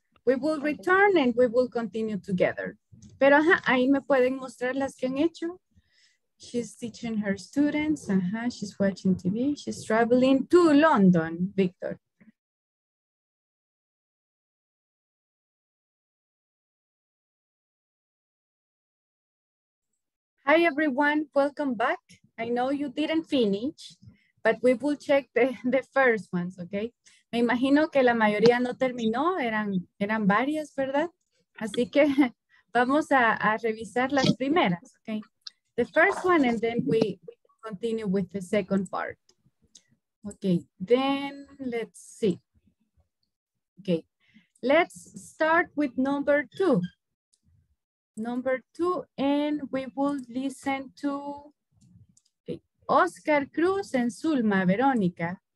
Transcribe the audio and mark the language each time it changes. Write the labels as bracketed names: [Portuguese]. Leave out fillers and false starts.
[English] We will return and we will continue together. [Spanish] Pero ajá, ahí me pueden mostrar las que han hecho. [English] She's teaching her students, uh-huh. She's watching TV, she's traveling to London, Victor. Hi everyone, welcome back. I know you didn't finish, but we will check the first ones, okay? [Spanish] Me imagino que la mayoría no terminó, eran varias, ¿verdad? Así que vamos a revisar las primeras, okay? [English] The first one, and then we continue with the second part. Okay, then let's see. Okay, let's start with number two. Number two, and we will listen to okay, Oscar Cruz and Zulma Veronica.